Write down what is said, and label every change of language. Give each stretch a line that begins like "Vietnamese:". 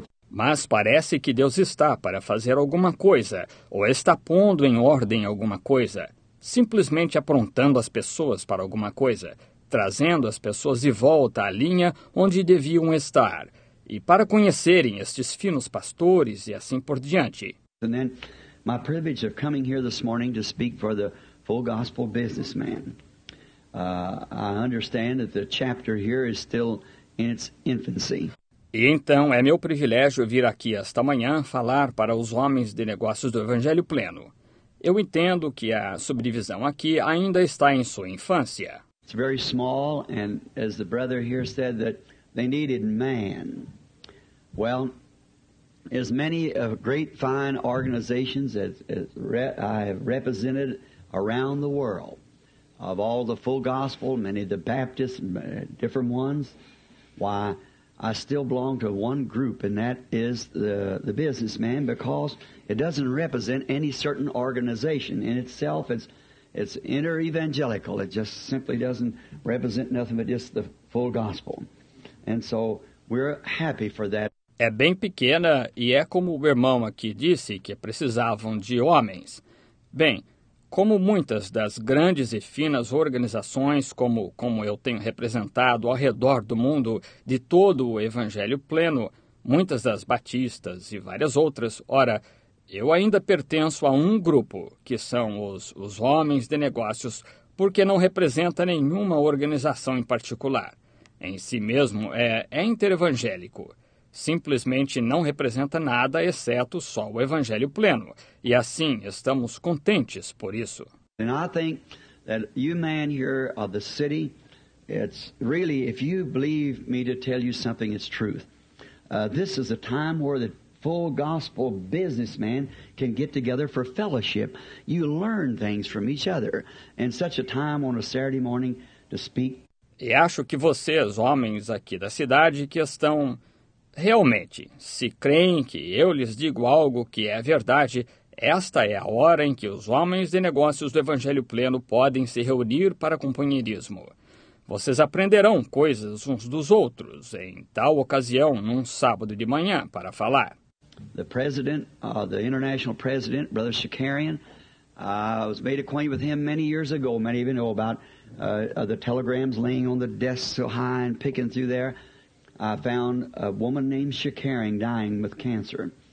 Portuguese: mas parece que Deus está para fazer alguma coisa, ou está pondo em ordem alguma coisa, simplesmente aprontando as pessoas para alguma coisa, trazendo as pessoas de volta à linha onde deviam estar, e para conhecerem estes finos pastores e assim por diante.
English: E then my privilege of coming here this morning to speak for the full gospel businessman. I understand that the chapter here is still in its infancy.
Portuguese: E então é meu privilégio vir aqui esta manhã falar para os homens de negócios do Evangelho Pleno. Eu entendo que a subdivisão aqui ainda está em sua infância.
English: It's very small, and as the brother here said that they needed man. Well, as many great fine organizations as I have represented around the world, of all the full gospel, many of the Baptists, different ones, why, I still belong to one group, and that is the businessman, because it doesn't represent any certain organization. In itself, it's inter-evangelical. It just simply doesn't represent nothing but just the full gospel. And so, we're happy for that.
Portuguese: É bem pequena, e é como o irmão aqui disse, que precisavam de homens. Bem, como muitas das grandes e finas organizações como eu tenho representado ao redor do mundo de todo o Evangelho Pleno, muitas das batistas e várias outras, ora, eu ainda pertenço a um grupo, que são os homens de negócios porque não representa nenhuma organização em particular. Em si mesmo, é interevangélico. Simplesmente não representa nada exceto só o Evangelho pleno. E assim, estamos contentes por isso. E eu acho que você,
English: man here of the city, it's really, if you believe me to tell you something, it's truth. This is a time where the full gospel businessman can get together for fellowship. You learn things from each other. And such a time on a Saturday morning to speak.
Portuguese: E acho que vocês, homens aqui da cidade, que estão realmente, se creem que eu lhes digo algo que é verdade, esta é a hora em que os homens de negócios do Evangelho Pleno podem se reunir para companheirismo. Vocês aprenderão coisas uns dos outros em tal ocasião, num sábado de manhã, para falar.
English: The president, the international president, Brother Shakarian, I was made acquainted with him many years ago. Many of you know about the telegrams laying on the desk so high and picking through there. I found a woman named Shakarian dying with cancer.